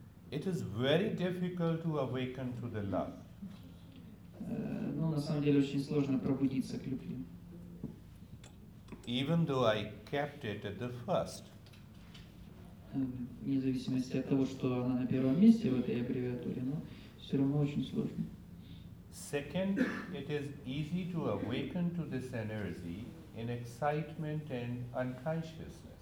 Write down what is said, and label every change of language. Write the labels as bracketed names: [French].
[English] It is very difficult to awaken to the love. [Russian] Ну, на самом деле, очень сложно пробудиться к любви. [English] Even though I kept it at the first. [Russian] Вне зависимости от того, что она на первом месте в этой аббревиатуре, но все равно очень сложно. [English] Second, it is easy to awaken to this energy in excitement and unconsciousness.